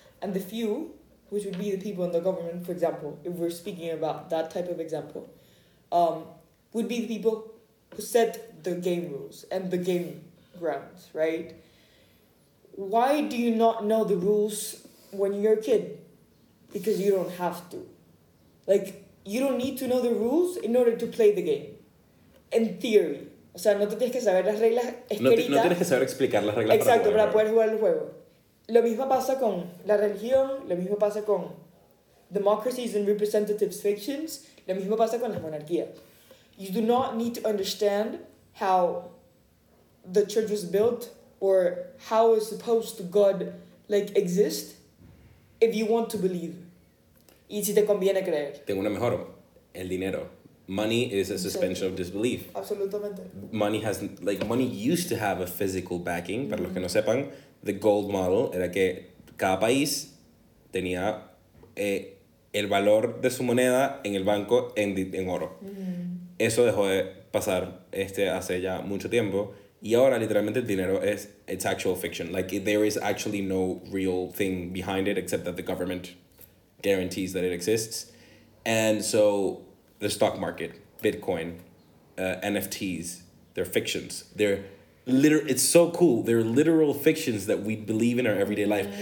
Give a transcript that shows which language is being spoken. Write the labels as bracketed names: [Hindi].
[English] And the few, which would be the people in the government, for example, if we're speaking about that type of example, would be the people who set the game rules and the game grounds, right? Why do you not know the rules when you're a kid? Because you don't have to. Like, you don't need to know the rules in order to play the game. In theory. [Spanish] O sea, no te tienes que saber las reglas escritas. No tienes que saber explicar las reglas. Exacto, para poder jugar el juego. Lo mismo pasa con la religión. Lo mismo pasa con [English] democracies and representative fictions. [Spanish] Lo mismo pasa con las monarquías. [English] you do not need to understand how the church was built or how is supposed to God like exist if you want to believe. [Spanish] Y si te conviene creer. Tengo una mejor. El dinero. [English] Money is a suspension of disbelief. [Spanish] Absolutamente. [English] Money has, like, money used to have a physical backing. [Spanish] Para los que no sepan, [English] the gold model [Spanish] era que cada país tenía el valor de su moneda en el banco en oro. Mm. Eso dejó de pasar hace ya mucho tiempo. Y ahora, literalmente, el dinero es [English] it's actual fiction. Like, there is actually no real thing behind it except that the government guarantees that it exists. And so the stock market, Bitcoin, NFTs, they're fictions. They're it's so cool. They're literal fictions that we believe in our everyday life.